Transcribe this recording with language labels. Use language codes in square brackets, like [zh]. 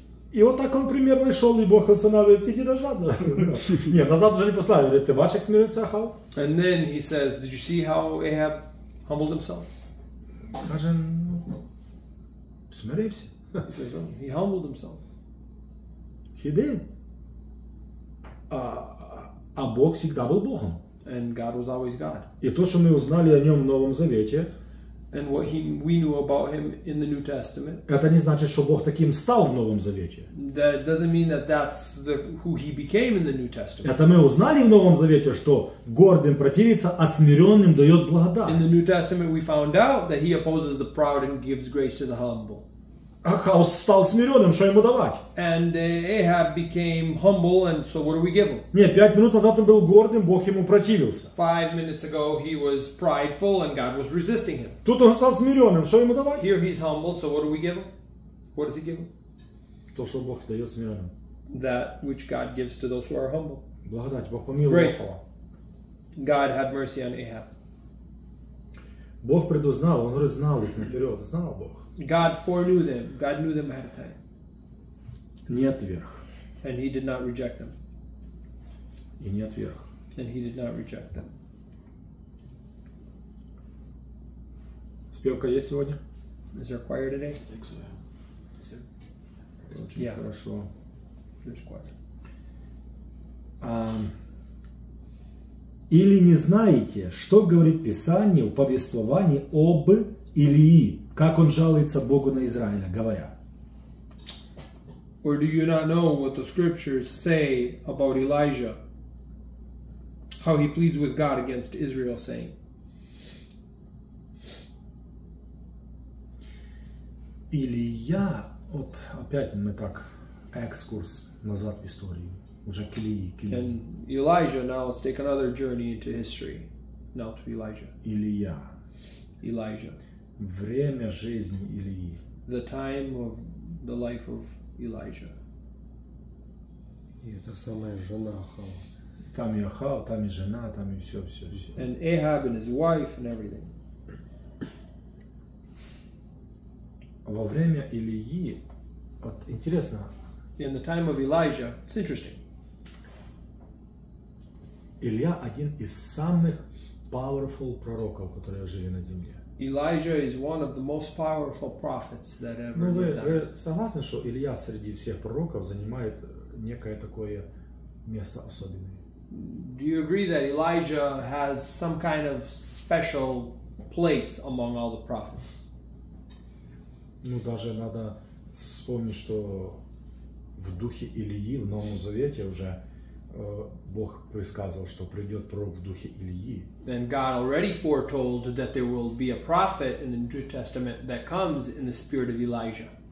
[ru] И вот так он примерно шел, и Бог останавливает, иди назад. Нет, назад уже не послали. Ты [uk] бачишь, [ru] как смирился Ахав? [en] And then he says, did you see how Ahab humbled himself? [uk] Каже, ну, смирився. [en] He humbled himself. He did. [ru] А Бог всегда был Богом. [en] And God was always God. [ru] И то, что мы узнали о Нем в Новом Завете, [en] and what we knew about Him in the New Testament, [ru] это не значит, что Бог таким стал в Новом Завете. [en] That doesn't mean that that's the, who He became in the New Testament. [ru] Это мы узнали в Новом Завете, что гордым противится, а смиренным дает благодать. [en] In the New Testament, we found out that He opposes the proud and gives grace to the humble. [ru] Ахав стал смиренным, что ему давать? [en] And Ahab became humble, and so what do we give him? [ru] Нет, 5 минут назад он был гордым, Бог ему противился. [en] 5 minutes ago he was prideful and God was resisting him. [ru] Тут он стал смиренным, что ему давать? [en] Here he's humble, so what do we give him? What does he give him? [ru] То, что Бог дает смиренным. [en] That which God gives to those who are humble. [ru] Благодать, Бог помиловал. [en] Grace. God had mercy on Ahab. [ru] Бог предузнал, он уже знал их наперед, знал Бог. [en] God foreknew them. God knew them ahead of time. [ru] Не отверг. [en] And he did not reject them. [ru] И не отверг. [en] And he did not reject them. [ru] Спевка есть сегодня? [en] Is there a choir today? I think so, yeah. Yes, [ru] очень, [en] yeah, [ru] хорошо. [en] There's choir. [ru] Или не знаете, что говорит Писание в повествовании об Илии? Как он жалуется Богу на Израиля, говоря. [en] Or do you not know what the scriptures say about Elijah? How he pleads with God against Israel, saying, [ru] Илия, вот опять мы так экскурс назад в историю, уже к Илии. [en] And Elijah, now let's take another journey into history, now to Elijah. [ru] Илия. Время жизни Илии. [en] The time of the life of Elijah. [ru] И это самая жена Ахава. Там и Ахав, там и жена, там и все. [en] And Ahab and his wife and everything. [ru] Во время Илии, вот интересно. [en] In the time of Elijah, it's interesting. [ru] Илия один из самых [en] powerful [ru] пророков, которые жили на земле. [en] Elijah is one of the most powerful prophets that ever lived. [ru] Вы согласны, что Илия среди всех пророков занимает некое такое место особенное? [en] Do you agree that Elijah has some kind of special place among all the prophets? [ru] Ну, даже надо вспомнить, что в духе Илии, в Новом Завете уже Бог предсказывал, что придет пророк в духе Илии. [en] And God already foretold that there will be a prophet in the New Testament that comes in the spirit of Elijah.